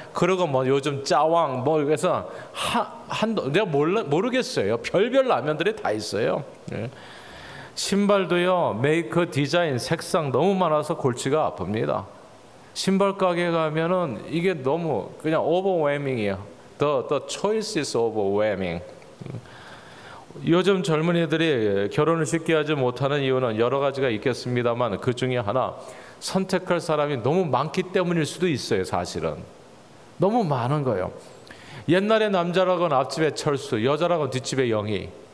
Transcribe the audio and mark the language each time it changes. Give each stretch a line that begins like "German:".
Korean: 그리고 뭐 요즘 짜왕 뭐 그래서 내가 모르겠어요. 별별 라면들이 다 있어요. 신발도요. 메이크, 디자인, 색상 너무 많아서 골치가 아픕니다. 신발 가게 가면은 이게 너무 그냥 오버웨밍이에요.
English: The choice is overwhelming.
Korean: 요즘 젊은이들이 결혼을 쉽게 하지 못하는 이유는 여러 가지가 있겠습니다만 그 중에 하나 선택할 사람이 너무 많기 때문일 수도 있어요. 사실은 너무 많은 거예요. 옛날에 남자라고는 앞집에 철수, 여자라고는 뒷집에 영희.